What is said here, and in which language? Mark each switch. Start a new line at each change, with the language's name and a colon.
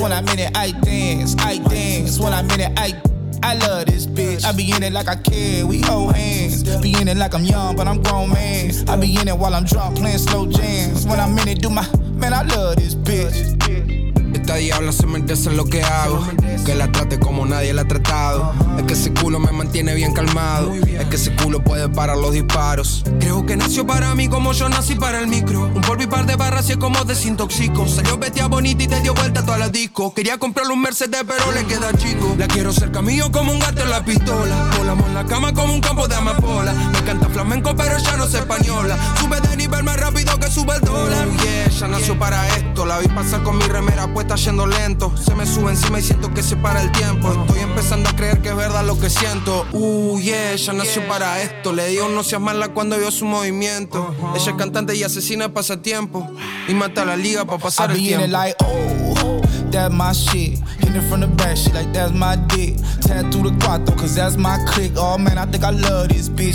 English: When I'm in it, I dance, I dance. When I'm in it, I love this bitch. I be in it like I care, we hold hands. Be in it like I'm young, but I'm grown man. I be in it while I'm drunk, playing slow jams. When I'm in it, do my, man, I love this bitch.
Spanish: Esta diabla se merece lo que hago. Que la trate como nadie la ha tratado. Es que ese culo me mantiene bien calmado. Es que ese culo puede parar los disparos. Creo que nació para mí como yo nací para el micro. Un polvo y par de barras y es como desintoxico. Salió bestia bonita y te dio vuelta a todas las discos. Quería comprarle un Mercedes pero le queda chico. La quiero cerca mío como un gato en la pistola. Volamos en la cama como un campo de amapola. Me canta flamenco pero ella no es española. Sube de nivel más rápido que sube el dólar. Yeah, ella nació para esto. La vi pasar con mi remera puesta. está yendo lento. Se me sube encima y siento que se para el tiempo. Estoy empezando a creer que es verdad lo que siento. Yeah, ella nació para esto. Le digo no seas mala cuando vio su movimiento. Ella es cantante y asesina pasatiempo. Y mata a la liga para pasar el tiempo.
English: I'll be in it like, oh, that's my shit. Hit it from the back, she like, that's my dick. Tattoo the cuatro, cause that's my clique. Oh man, I think I love this bitch.